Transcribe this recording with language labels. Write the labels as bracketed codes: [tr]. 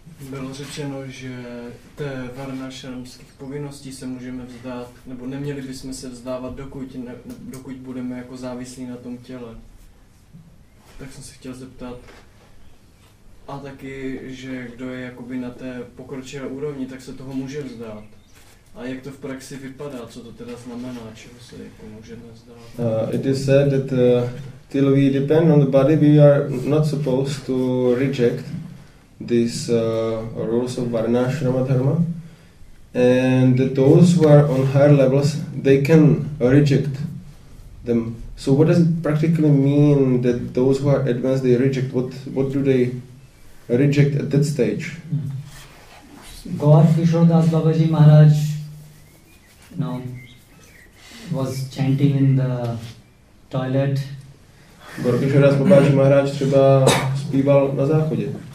[cs] Bylo řečeno, že té varnašramských povinností se můžeme vzdát, nebo neměli bychom se vzdávat, dokud budeme jako závislí na tom těle. Tak jsem se chtěl zeptat. A taky, že kdo je jakoby na té pokročilé úrovni, tak se toho může vzdát. A jak to v praxi vypadá, co to teda znamená, čeho se jako můžeme vzdát? [en] It is said that till we depend on the body, we are not supposed to reject these rules of Varnashrama Dharma, and those who are on higher levels, they can reject them. So what does it practically mean that those who are advanced, they reject? What do they reject at that stage? Gaur Kishordas Babaji Maharaj was chanting in the toilet. [cs] Gaur Kishordas Babaji Maharaj třeba zpíval na záchodě.